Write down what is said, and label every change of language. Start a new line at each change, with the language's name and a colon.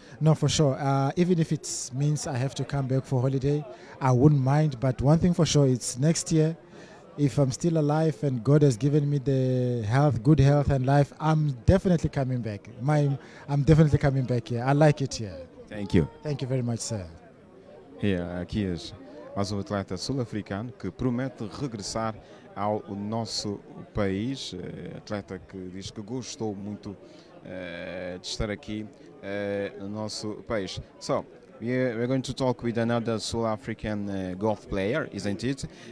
English: No, for sure. Even if it means I have to come back for holiday, I wouldn't mind. But one thing for sure, it's next year. If I'm still alive and God has given me the health, good health and life, I'm definitely coming back. I'm definitely coming back here. I like it here. Thank you. Thank you very much, sir.
Portuguese: Yeah, aqui é mais um atleta sul-africano que promete regressar ao nosso país. Atleta que diz que gostou muito de estar aqui no nosso país.
English: So, we're going to talk with another South African golf player, isn't it?